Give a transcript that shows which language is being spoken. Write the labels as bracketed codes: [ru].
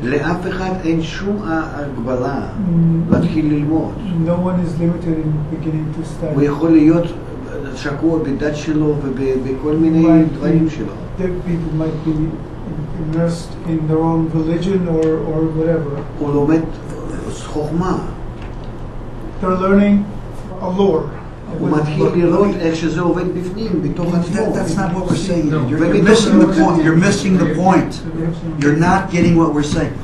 [he] לאף אחד אין שום הגבלה להתחיל ללמוד. [en] No one is limited in beginning to study. [he] הוא יכול להיות שקוע בדת שלו ובכל מיני דברים שלו. [en] There people might be immersed in their own religion or whatever. [he] הוא לומד חוכמה. [en] They're learning a lore. That's not what we're saying. You're missing the point. You're not getting what we're saying.